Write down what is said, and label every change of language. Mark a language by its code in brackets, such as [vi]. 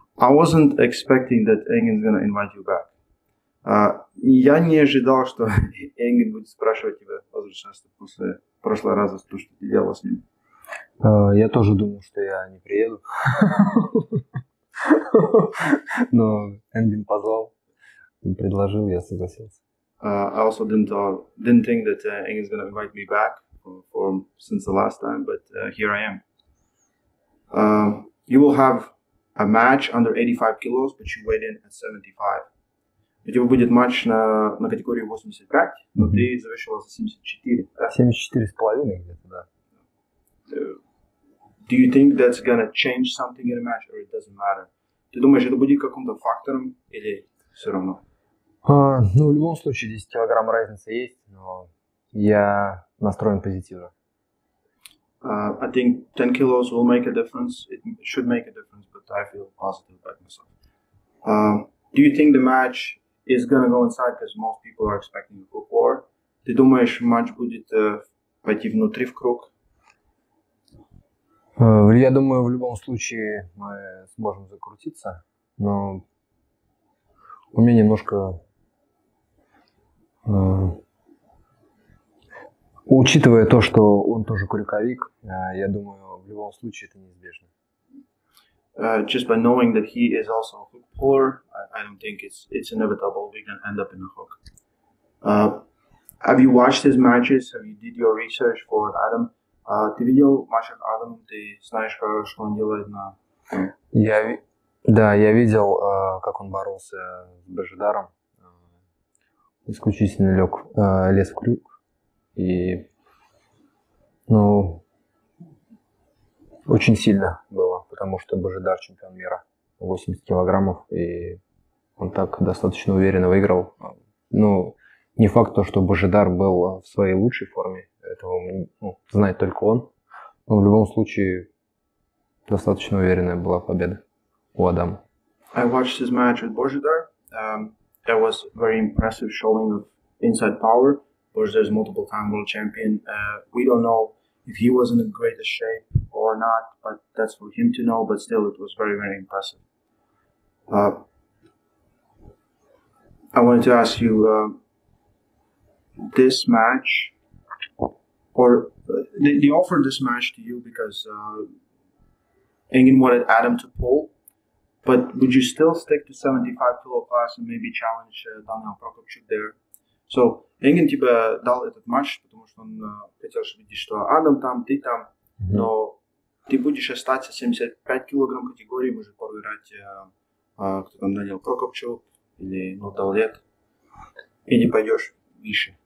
[en] I wasn't expecting that Engin's gonna invite you back. [ru] Я не ожидал, что Engin будет спрашивать тебя возвращаться после прошлого раза, то, что ты делал с ним. Я тоже думал, что я не приеду. Но Engin позвал, предложил, я согласился. [en] I also didn't think that Engin's gonna invite me back for since the last time, but here I am. You will have a match under 85 kilos, but you weighed in at 75. [ru] У тебя будет матч на категории 85, но ты завершила за 74. 74,5 где-то, да. [en] Do you think that's gonna change something in a match, or it doesn't matter? [ru] Ты думаешь, это будет каким-то фактором, или все равно? Ну, в любом случае, 10 килограмм разница есть, но я настроен позитивно. [en] I think 10 kilos will make a difference. It should make a difference, but I feel positive about myself. Do you think the match is going to go inside because most people are expecting a hook war? [ru] Ты думаешь, матч будет пойти внутри в круг? Я думаю, в любом случае мы сможем закрутиться, но у меня немножко... Учитывая то, что он тоже крюковик, я думаю, в любом случае это неизбежно. [en] Just by knowing that he is also a hook puller, I don't think it's inevitable we can end up in a hook. Have you watched his matches? Have you did your research for Adam? [ru] Ты видел матч от Адама? Ты знаешь, что он делает на... Я видел, как он боролся с Бежедаром. Исключительно лез в крюк. И, ну, очень сильно было, потому что Божидар чемпион мира, 80 килограммов, и он так достаточно уверенно выиграл. Ну, не факт то, что Божидар был в своей лучшей форме, этого знает только он, но в любом случае достаточно уверенная была победа у Адама. [en] I watched his match with Божидар. That was very impressive showing of inside power. Божидар is multiple time world champion. We don't know if he was in the greatest shape or not, but that's for him to know. But still, it was very, very impressive. I wanted to ask you this match, or they offered this match to you because Engin wanted Adam to pull. But would you still stick to 75 kilo class and maybe challenge Daniel Prokopchuk there? [ru] So, Engin тебе дал этот матч, потому что он хотел, чтобы видеть, что Адам там, ты там, но ты будешь остаться 75 килограмм категории, может поиграть, кто там, Данил Прокопчук или Нурдаулет, и не пойдешь выше.